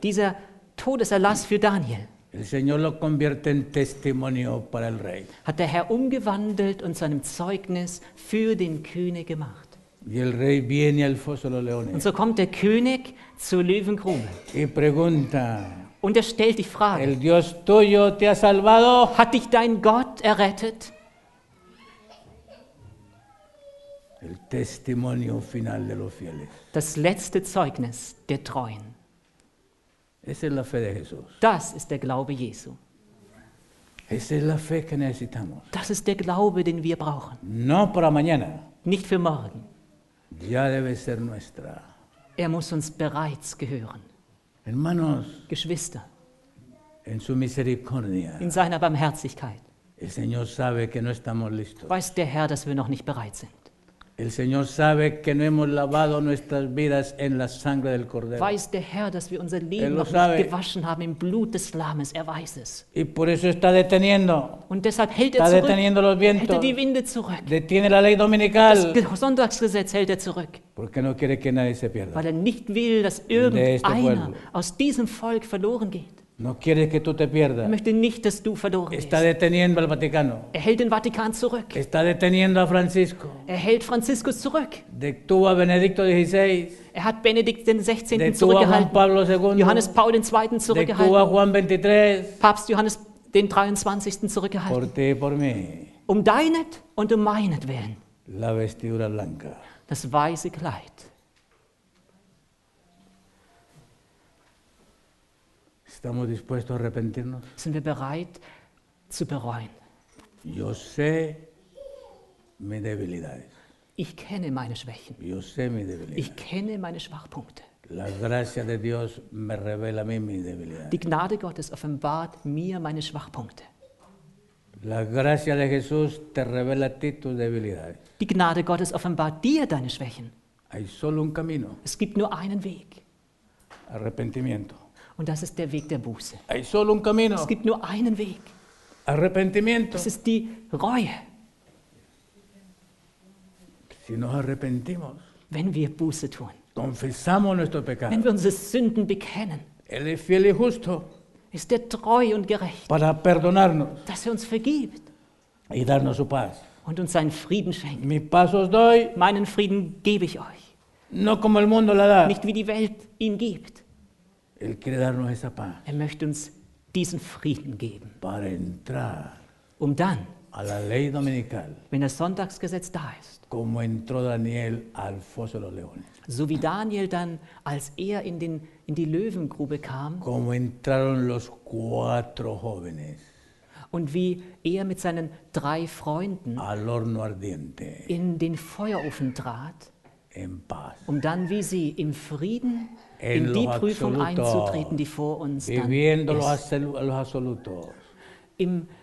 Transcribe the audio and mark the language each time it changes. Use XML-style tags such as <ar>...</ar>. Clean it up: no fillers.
<de>dieser Todeserlass für Daniel.</de> <es>El Señor lo convierte en testimonio para el Rey.</es> <de>Hat der Herr umgewandelt und zu einem Zeugnis für den König gemacht.</de> <es>Y el Rey viene al foso de los leones.</es> <de>Und so kommt der König zur Löwengrube.</de> <es>Y pregunta,</es> <de>und er stellt die Frage.</de> <es>El Dios tuyo te ha salvado?</es> <de>Hat dich dein Gott errettet?</de> <es>El testimonio final de los fieles.</es> <de>Das letzte Zeugnis der Treuen.</de> <es>Esa es la fe de Jesús.</es> <de>Das ist der Glaube Jesu.</de> <es>Esa es la fe que necesitamos.</es> <de>Das ist der Glaube, den wir brauchen.</de> <es>No para mañana.</es> <de>Nicht für morgen.</de> <es>Ya debe ser nuestra.</es> <de>Er muss uns bereits gehören.</de> <es>Hermanos,</es> <de>Geschwister,</de> <es>en su misericordia,</es> <de>in seiner Barmherzigkeit,</de> <es>el Señor sabe que no estamos listos.</es> <de>Weiß der Herr, dass wir noch nicht bereit sind.</de> <es>El Señor sabe que no hemos lavado nuestras vidas en la sangre del cordero.</es> <de>Weiß der Herr, dass wir unser Leben noch nicht gewaschen haben im Blut des Lammes. Er weiß es.</de> <es>Y por eso está deteniendo.</es> <de>Und deshalb hält</de> <es>está</es> <de>er zurück.</de> <es>Está deteniendo los vientos.</es> <de>Hält er die Winde zurück.</de> <es>Detiene la ley dominical.</es> <de>Das Sonntagsgesetz hält er zurück.</de> <es>Porque no quiere que nadie se pierda.</es> <de>Weil er nicht will, dass irgendeiner aus diesem Volk verloren geht.</de> <es>No quiere que tú te pierdas.</es> <de>Er möchte nicht, dass du verloren gehst.</de> <es>Está deteniendo al Vaticano.</es> <de>Er hält den Vatikan zurück.</de> <es>Está deteniendo a Francisco.</es> <de>Er hält Franziskus zurück.</de> <es>Detuvo a Benedicto XVI.</es> <de>Er hat Benedikt den 16. zurückgehalten.</de> <es>Detuvo a Juan Pablo II.</es> <de>Johannes Paul den 2. zurückgehalten.</de> <es>Detuvo a Juan 23.</es> <de>Papst Johannes den 23. zurückgehalten.</de> <es>Por ti, por mí.</es> <de>Um deinet und um meinetwillen.</de> <es>La vestidura blanca.</es> <de>Das weiße Kleid.</de> <es>Estamos dispuestos a arrepentirnos.</es> <de>Sind wir bereit zu bereuen?</de> <es>Yo sé mis debilidades.</es> <de>Ich kenne meine Schwächen.</de> <es>Yo sé mis debilidades.</es> <de>Ich kenne meine Schwachpunkte.</de> <es>La gracia de Dios me revela a mí mis debilidades.</es> <de>Die Gnade Gottes offenbart mir meine Schwachpunkte.</de> <es>La gracia de Jesús te revela a ti tus debilidades.</es> <de>Die Gnade Gottes offenbart dir deine Schwächen.</de> <es>Hay solo un camino.</es> <de>Es gibt nur einen Weg.</de> <es>Arrepentimiento.</es> <de>Und das ist der Weg der Buße.</de> <es>Hay solo un camino.</es> <de>Es gibt nur einen Weg.</de> <es>Arrepentimiento.</es> <de>Es ist die Reue.</de> <es>Si nos arrepentimos,</es> <de>wenn wir Buße tun.</de> <es>Confesamos nuestro pecado.</es> <de>Wenn wir unsere Sünden bekennen.</de> <es>Él es fiel y justo.</es> <de>Ist er treu und gerecht.</de> <es>Para perdonarnos.</es> <de>Dass er uns vergibt.</de> <es>Y darnos su paz.</es> <de>Und uns seinen Frieden schenkt.</de> <es>Mi paz os doy.</es> <de>Meinen Frieden gebe ich euch.</de> <es>No como el mundo la da.</es> <de>Nicht wie die Welt ihn gibt.</de> <es>Él quiere darnos esa paz.</es> <de>Er möchte uns diesen Frieden geben.</de> <es>Para entrar.</es> <de>Um dann.</de> <es>A la ley dominical.</es> <de>Wenn das Sonntagsgesetz da ist.</de> <es>Como entró Daniel al foso de los leones.</es> <de>So wie Daniel dann, als er in die Löwengrube kam.</de> <es>Como entraron los cuatro jóvenes.</es> <de>Und wie er mit seinen drei Freunden.</de> <es>Al horno ardiente.</es> <de>In den Feuerofen trat.</de> <es>En paz.</es> <de>Um dann wie sie im Frieden. In die Prüfung einzutreten, die vor uns dann ist.</de>